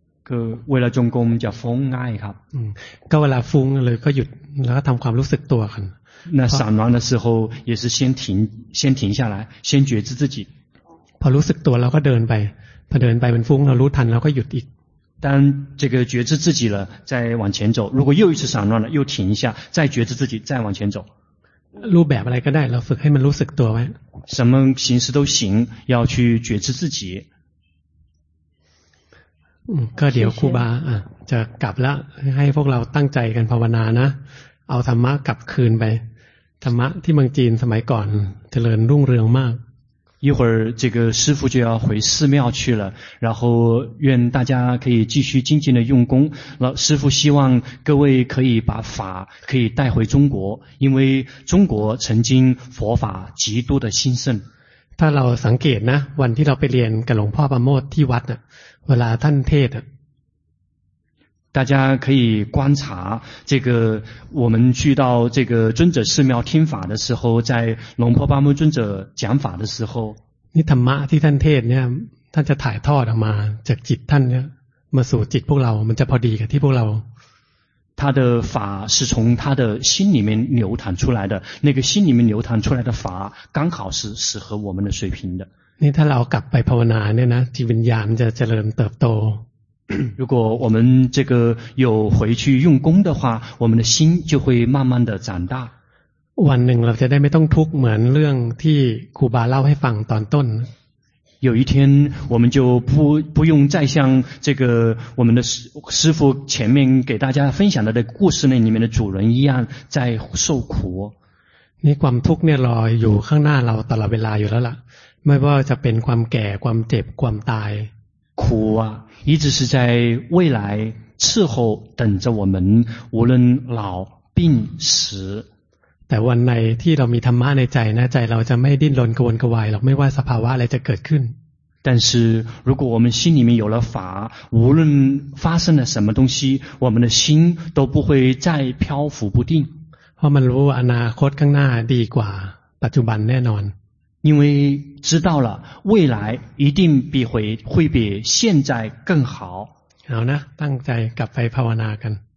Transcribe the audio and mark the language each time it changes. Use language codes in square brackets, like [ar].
[th] คือเวลาจงกรมจะฟุ้งง่ายครับ ก็เวลาฟุ้งเลยก็หยุดแล้วก็ทำความรู้สึกตัวกัน [zh] 那散乱的时候也是先停下来先觉知自己 [th] พอรู้สึกตัวเราก็เดินไปพอเดินไปมันฟุ้งเรารู้ทันเราก็หยุดอีก [zh] 当这个觉知自己了再往前走如果又一次散乱了又停一下再觉知自己再往前走 [th] รูปแบบอะไรก็ได้เราฝึกให้มันรู้สึกตัวไว้ [zh] 什么形式都行要去觉知自己 [th] ก็เดี๋ยวครูบาจะกลับแล้วให้พวกเราตั้งใจกันภาวนานะเอาธรรมะกลับคืนไปธรรมะที่เมืองจีนสมัยก่อนเจริญรุ่งเรืองมาก [zh] 一会儿这个师父就要回寺庙去了然后愿大家可以继续精进的用功老师父希望各位可以把法可以带回中国因为中国曾经佛法极度的兴盛 [th] ถ้าเราสังเกตนะวันที่เราไปเรียนกับหลวงพ่อประโมทที่วัดเวลาท่านเทศ [zh] 大家可以观察这个我们去到这个尊者寺庙听法的时候在龙婆巴木尊者讲法的时候 [th] นี่ธรรมะที่ท่านเทศเนี่ยท่านจะถ่ายทอดออกมาจากจิตท่านเนี่ยมาสู่จิตพวกเรามันจะพอดีกับที่พวกเรา [zh] 他的法是从他的心里面流淌出来的那个心里面流淌出来的法刚好是适合我们的水平的 [th] นี่ถ้าเรากลับไปภาวนาเนี่ยนะจิตวิญญาณจะเจริญเติบโต [zh] 如果我们这个有回去用功的话我们的心就会慢慢的长大 [th] วันหนึ่งเราจะได้ไม่ต้องทุกข์เหมือนเรื่องที่ครูบาเล่าให้ฟังตอนต้น [zh] 有一天我们就不用再像这个我们的师父前面给大家分享的这个故事里面的主人一样在受苦 [th] นี่ความทุกข์เนี่ยรออยู่ข้างหน้าเราตลอดเวลาอยู่แล้วล่ะไม่ว่าจะเป็นความแก่ความเจ็บความตาย [zh] 苦啊一直是在未来伺候等着我们无论老病死 [th] แต่วันไหนที่เรามีธรรมะในใจนะใจเราจะไม่ดิ้นรนกระวนกระวายหรอกไม่ว่าสภาวะอะไรจะเกิดขึ้น [zh] 但是如果我们心里面有了法无论发生了什么东西我们的心都不会再漂浮不定 [th] เพราะมันรู้อนาคตข้างหน้าดีกว่าปัจจุบันแน่นอน [zh] 因为知道了未来一定会比现在更好好呢 [th] ตั้งใจกลับไปภาวนากัน